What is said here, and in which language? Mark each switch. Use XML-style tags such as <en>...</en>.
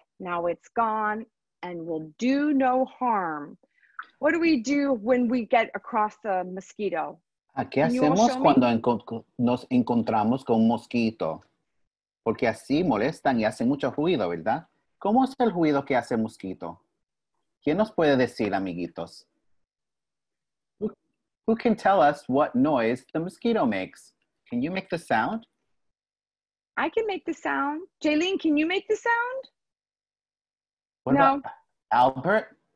<en>Now it's gone and will do no harm. What do we do when we get across the mosquito?</en> <es>¿Qué hacemos cuando nos encontramos con un mosquito? Porque así molestan y hacen mucho ruido, ¿verdad? ¿Cómo es el ruido que hace el mosquito? ¿Quién nos puede decir, amiguitos?</es> <en>Who can tell us what noise the mosquito makes? Can you make the sound? I can make the sound. Jaylene, can you make the sound? What no. about Albert?</en>